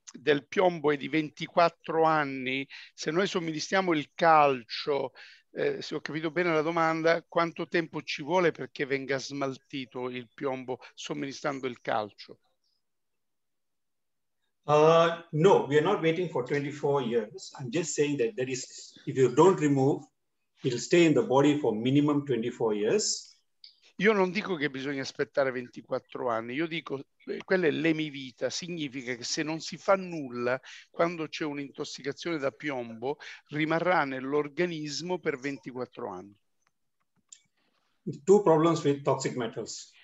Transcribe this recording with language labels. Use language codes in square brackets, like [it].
[it] del piombo è di 24 anni, se noi somministriamo il calcio, se ho capito bene la domanda, quanto tempo ci vuole perché venga smaltito il piombo somministrando il calcio? [en] No, we are not waiting for 24 years. I'm just saying that there is, if you don't remove, it'll stay in the body for minimum 24 years. [it] Io non dico che bisogna aspettare 24 anni, io dico, quella è l'emivita, significa che se non si fa nulla, quando c'è un'intossicazione da piombo, rimarrà nell'organismo per 24 anni. [en] Two problems with toxic metals.